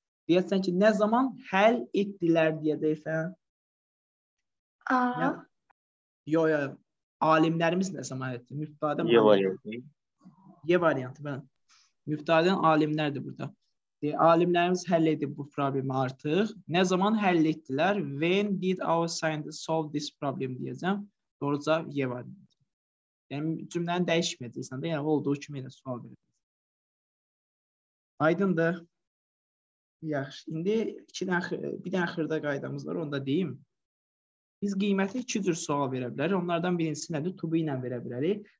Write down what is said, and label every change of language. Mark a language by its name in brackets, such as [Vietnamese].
[Azerbaijani] Deyəsən ki, nə zaman həll etdilər deyə deyəsən? Yox, yox. Alimlərimiz nə zaman həll etdi? Müftadə variantı. Y variantı, bəli. Müftadən alimlərdir burada. Alimlərimiz həll edib bu problemi artıq. Nə zaman həll etdilər? [English] When did our scientists solve this problem [Azerbaijani] deyəcəm? Doğru cavab Y variantı. Yəni, cümləni dəyişməyəcəksən də, yəni olduğu kimi elə sual verəcəksən. Aydındır. Yaxşı, indi bir dənə xırda qaydamız var, onu da deyim. Biz qiyməti iki cür sual verə bilərik. Onlardan birincisi nədir? Tubu ilə verə bilərik.